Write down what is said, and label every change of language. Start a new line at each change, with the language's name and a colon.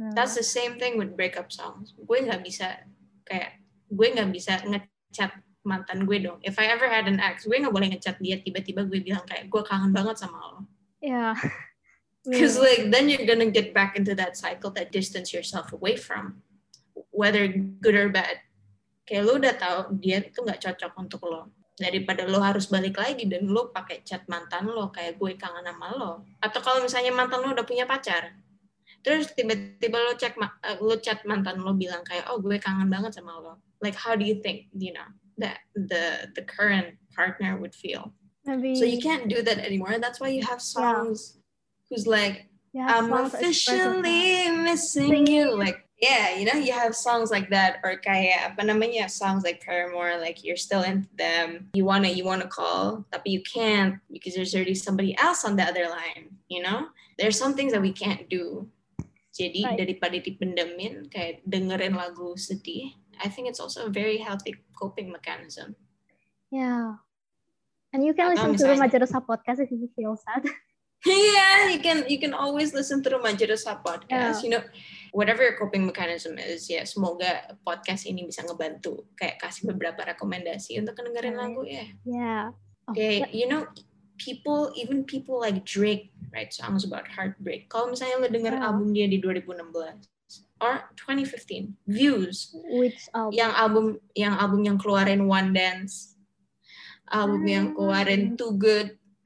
English: That's the same thing with breakup songs.
Indonesian: Gue nggak bisa kayak gue nggak bisa ngechat mantan gue dong.
English: If I ever had an ex,
Indonesian: gue gak boleh ngechat dia tiba-tiba gue bilang kayak gue kangen banget sama lo.
English: Yeah. Because like then you're gonna get back into that cycle that distance yourself away from, whether good or bad.
Indonesian: Kayak lo udah tau dia itu gak cocok untuk lo. Daripada lo harus balik lagi dan lo pakai chat mantan lo kayak gue kangen sama lo. Atau kalau misalnya mantan lo udah punya pacar, terus tiba-tiba lo chat mantan lo bilang kayak oh gue kangen banget sama lo.
English: Like how do you think, you know, that the current partner would feel? Maybe. So you can't do that anymore. That's why you have songs who's like, I'm officially missing you. Like, yeah, you know, you have songs like that. Or
Indonesian: kaya, apa namanya,
English: you have songs like Paramore, like you're still into them. You wanna call, tapi you can't because there's already somebody else on the other line, you know? There's some things that we can't do.
Indonesian: Jadi daripada dipendemin, kayak dengerin lagu sedih,
English: I think it's also a very healthy coping mechanism. Yeah. And you can listen to Remaja Rasa podcast if you feel sad. Yeah, you can always listen to Remaja Rasa podcast. Yeah. You know, whatever your coping mechanism is, yeah,
Indonesian: semoga podcast ini bisa ngebantu. Kayak kasih beberapa rekomendasi untuk dengerin lagu, ya.
English: Yeah. Yeah. Okay, you know, even people like Drake write songs about heartbreak.
Indonesian: Kalau misalnya lo denger album dia di 2016, or 2015, Views.
English: Which album?
Indonesian: Yang album yang keluarin One Dance. Album yang keluarin Too Good.